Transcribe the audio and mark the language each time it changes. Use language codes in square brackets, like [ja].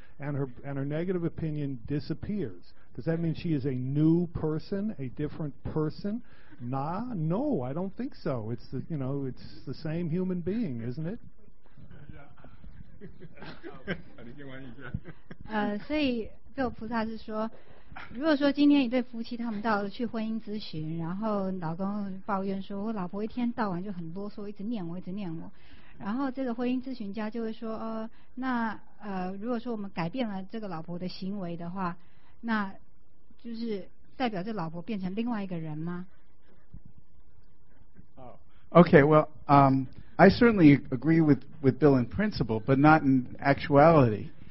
[en] And her negative opinion disappears. Does that mean she is a new person, a different person? Nah, no, I don't think so. It's the, you know, it's the same human being, isn't it? Yeah. [zh] 如果说今天一对夫妻他们到了去婚姻咨询，然后老公抱怨说，我老婆一天到晚就很啰嗦，一直念我，然后这个婚姻咨询家就会说，如果说我们改变了这个老婆的行为的话，那就是代表这老婆变成另外一个人吗？ [en] Okay, well, I certainly agree with Bill in principle, but not in actuality.